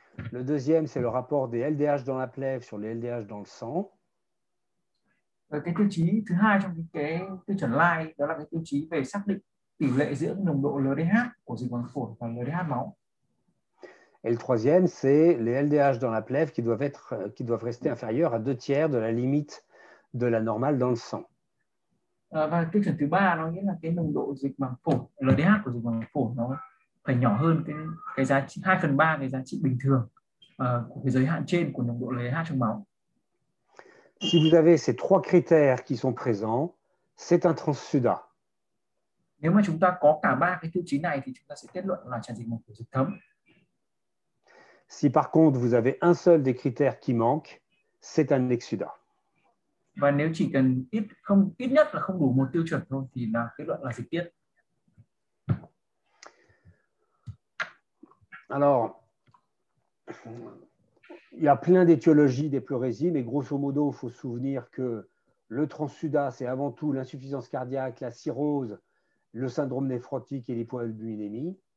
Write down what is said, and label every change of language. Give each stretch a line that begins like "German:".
French: Le deuxième, c'est le rapport des LDH dans la plèvre sur les LDH dans le sang.
Vietnamese: Cái tiêu chí thứ hai trong cái tiêu chuẩn Light đó là cái tiêu chí về xác định tỷ lệ giữa nồng độ LDH của dịch màng phổi và LDH máu.
French: Et le troisième, c'est les LDH dans la plèvre qui doivent rester inférieurs à 2/3 de la limite de la normale dans le sang.
Vietnamese: Và tiêu chuẩn thứ ba nó nghĩa là cái nồng độ dịch màng phổi LDH của dịch màng phổi nó phải nhỏ hơn cái giá trị 2 phần 3 cái giá trị bình thường của cái giới hạn trên của nồng độ LDH trong máu.
French: Si vous avez ces trois critères qui sont présents, c'est un transsudat.
Vietnamese: Nếu mà chúng ta có cả ba cái tiêu chí này thì chúng ta sẽ kết luận là tràn dịch màng phổi dịch thấm.
French: Si par contre vous avez un seul des critères qui manque, c'est un exsudat.
Vietnamese: Và nếu chỉ cần ít nhất là không đủ một tiêu chuẩn thôi thì là kết luận là dịch tiết.
French: Alors, il y a plein d'étiologies des pleurésies, mais grosso modo, il faut se souvenir que le transsudat, c'est avant tout l'insuffisance cardiaque, la cirrhose, le syndrome néphrotique et l'hypoalbuminémie.